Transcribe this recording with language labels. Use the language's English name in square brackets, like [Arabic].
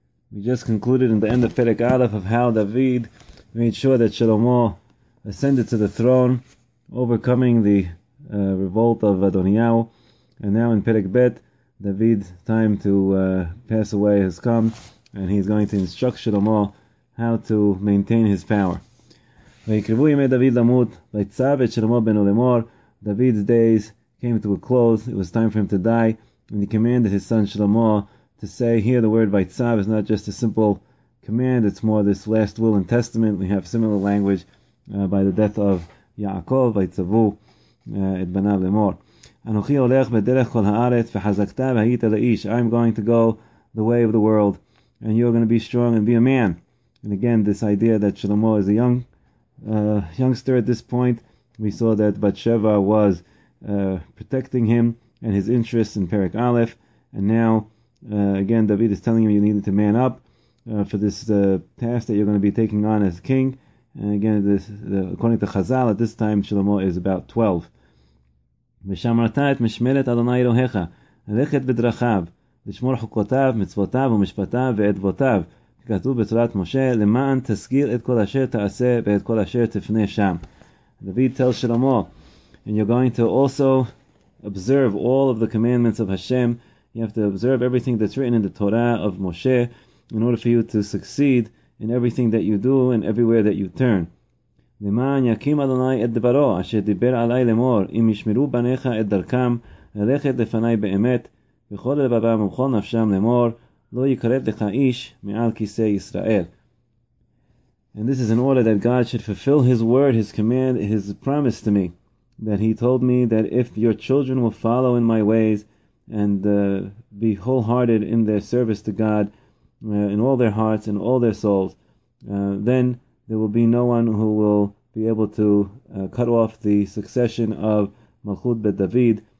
[English] We just concluded in the end of Perek Aleph of how David made sure that Shlomo ascended to the throne, overcoming the revolt of Adoniyahu. And now in Perek Bet, David's time to pass away has come, and he's going to instruct Shlomo how to maintain his power. [Hebrew] ויקרבו ימי דוד למות, ויצב את שלמה בנו למור. [English] David's days came to a close, it was time for him to die, and he commanded his son Shlomo to say, here the word ויצב is not just a simple command, it's more this last will and testament. We have similar language by the death of Yaakov, [Hebrew] ויצבו את בניו למור. אנוכי הולך בדרך כל הארץ, וחזקת והיית לאיש. [English] I'm going to go the way of the world, and you're going to be strong and be a man. And again, this idea that Shlomo is a youngster at this point, we saw that Bathsheba was protecting him and his interests in Perek Aleph, and now again David is telling him you needed to man up for this task that you're going to be taking on as king. And again, this according to Chazal, at this time Shlomo is about 12. [Hebrew] Meshamarta et meshmelet Adonai Elohecha, lechet bedrachav, lishmor chukotav, mitzvotav, umishpatav, ve'edvotav. כתוב בתורת משה, למען תזכיר את כל אשר תעשה ואת כל אשר תפנה שם. [English] David tells Shlomo, and you're going to also observe all of the commandments of Hashem. You have to observe everything that's written in the Torah of Moshe in order for you to succeed in everything that you do and everywhere that you turn. [Hebrew] למען יקים אדוני את דברו אשר דיבר עלי למור, אם ישמרו בניך את דרכם ללכת לפני באמת, וכל לבבם ובכל נפשם למור, לא יקרב לך איש מעל כיסא ישראל. [English] And this is an order that God should fulfill His word, His command, His promise to me, that He told me that if your children will follow in my ways and be wholehearted in their service to God in all their hearts and all their souls, then there will be no one who will be able to cut off the succession of Malchut Bet David.